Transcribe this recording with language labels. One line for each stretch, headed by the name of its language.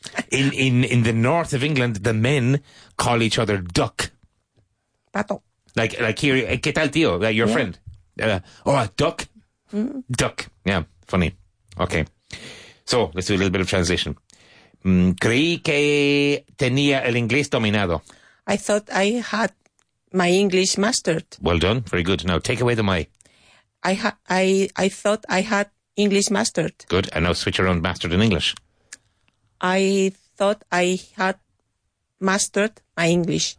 English: In the north of England, the men call each other duck.
Spanish: Pato.
English: Like here,
Spanish: ¿qué tal, tío?
English: Like your friend. Duck. Mm. Duck. Yeah, funny. Okay. So, let's do a little bit of translation.
Spanish: Creí que tenía el inglés dominado.
English: I thought I had my English mastered. Well done. Very good. Now, take away the my. I thought I had English mastered. Good. And now switch around mastered in English. I thought I had mastered my English.